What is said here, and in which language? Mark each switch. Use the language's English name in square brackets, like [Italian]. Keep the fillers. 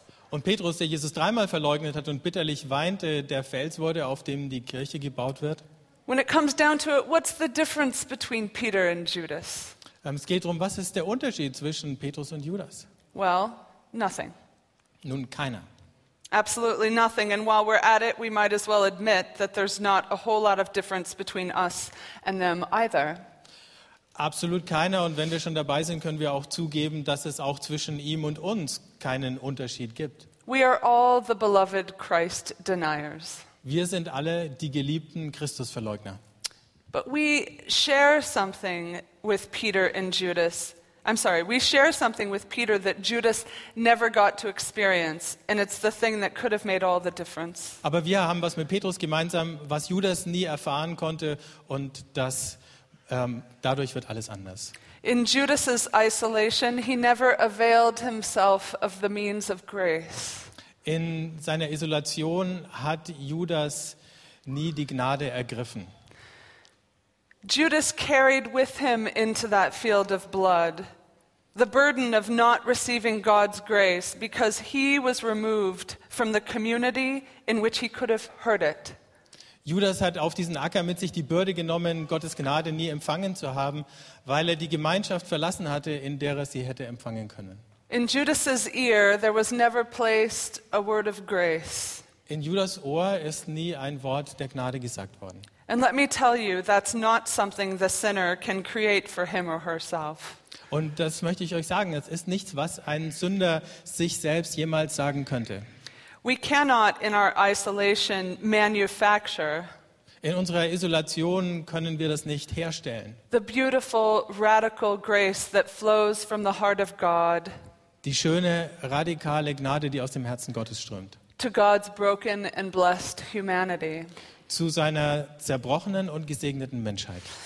[German] und Petrus, der Jesus dreimal verleugnet hat und bitterlich weinte, der Fels wurde, auf dem die Kirche gebaut wird. [English] When it comes down to it, what's the difference between Peter and Judas? [German] Es geht darum, was ist der Unterschied zwischen Petrus und Judas? [English] Well, nothing. [German] Nun keiner. [English] absolutely nothing. And while we're at it, we might as well admit that there's not a whole lot of difference between us and them either. [German] Absolut keiner. Und wenn wir schon dabei sind, können wir auch zugeben, dass es auch zwischen ihm und uns keinen [English] We are all the beloved Christ deniers. [German] Wir sind alle die geliebten Christusverleugner. [English] But we share something with Peter and Judas. I'm sorry, we share something with Peter that Judas never got to experience and it's the thing that could have made all the difference. [German] Aber wir haben was mit Petrus gemeinsam, was Judas nie erfahren konnte und das ähm, um, dadurch wird alles anders. [English] In Judas's isolation, he never availed himself of the means of grace. [German] In seiner Isolation hat Judas nie die Gnade ergriffen. [English] Judas carried with him into that field of blood the burden of not receiving God's grace because he was removed from the community in which he could have heard it. [German] Judas hat auf diesen Acker mit sich die Bürde genommen, Gottes Gnade nie empfangen zu haben, weil er die Gemeinschaft verlassen hatte, in der er sie hätte empfangen können. [English] In Judas' ear there was never placed a word of grace. [German] In Judas Ohr ist nie ein Wort der Gnade gesagt worden. [English] And let me tell you, that's not something the sinner can create for him or herself. [German] Und das möchte ich euch sagen, es ist nichts, was ein Sünder sich selbst jemals sagen könnte. [English] We cannot in our isolation manufacture [German] in unserer Isolation können wir das nicht herstellen. [English] The beautiful radical grace that flows from the heart of God. [German] Die schöne radikale Gnade, die aus dem Herzen Gottes strömt. [English] To God's broken and blessed humanity. [German] zu seiner zerbrochenen und gesegneten Menschheit.